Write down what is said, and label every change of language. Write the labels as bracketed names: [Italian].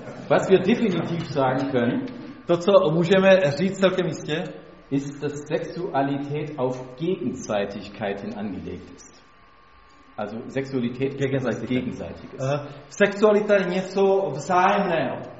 [German] Was wir definitiv sagen können, [Czech] to co můžeme říct celkem jistě, [German] ist, dass Sexualität auf Gegenseitigkeit hin angelegt ist. Also Sexualität gegenseitiges. [Czech] Sexualita je něco vzájemného.